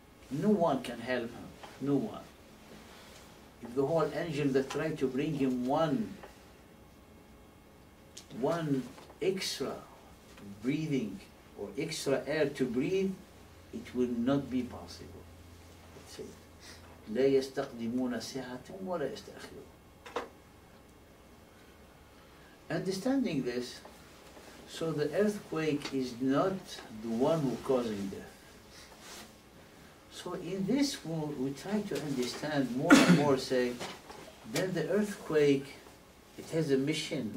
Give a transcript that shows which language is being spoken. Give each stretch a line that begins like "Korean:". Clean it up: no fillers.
English: No one can help him, no one. If the whole angel that tried to bring him one extra breathing or extra air to breathe, it will not be possible. That's it.
Arabic: لا يستقدمون ساعة ولا يستأخرون.
English: Understanding this, so the earthquake is not the one who causing death. So in this world, we try to understand more and more, say, then the earthquake, it has a mission.